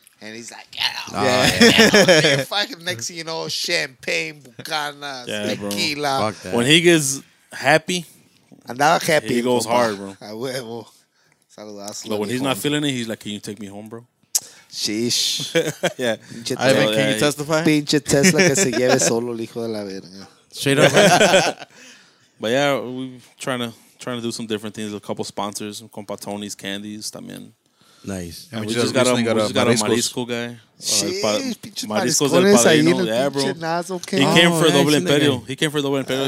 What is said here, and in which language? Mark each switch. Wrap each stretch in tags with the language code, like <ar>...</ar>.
<en>And he's like, get out. Fucking next thing you know, champagne, bucanas, yeah, tequila. Fuck that. When he gets happy,</en> <es>andaba happy.</es> <en>He goes hard, bro.</en> <es>A huevo. Saludos.</es> <en>But when he's not feeling it, he's like, can you take me home, bro? Sheesh. Yeah. Ivan, can you testify?</en> <es>Pinche Tesla que se lleve solo el hijo de la verga.</es> <en>Straight up. But yeah, we're trying to do some different things. A couple sponsors.</en> <es>Compa Tony's Candies también.</es> <en>Nice. And we just got a Marisco guy. Sheesh. Marisco's del Padrino. Yeah, bro. He came for Doble Imperio.</en>